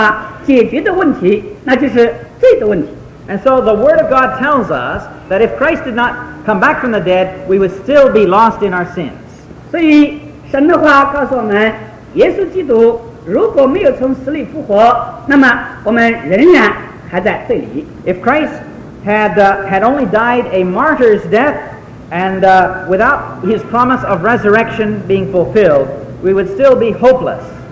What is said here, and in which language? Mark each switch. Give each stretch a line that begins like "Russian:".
Chinese: 第二个结论就是如果耶稣没有从死里复活，我们仍然要面对一个人类最没有办法解决的问题，那就是罪的问题。
English: And so the Word of God tells us that if Christ did not come back from the dead, we would still be lost in our sins.
Chinese: 所以 神的话告诉我们，耶稣基督如果没有从死里复活，那么我们仍然还在这里。
English: If Christ had only died a martyr's death and without his promise of resurrection being fulfilled, we would still be hopeless.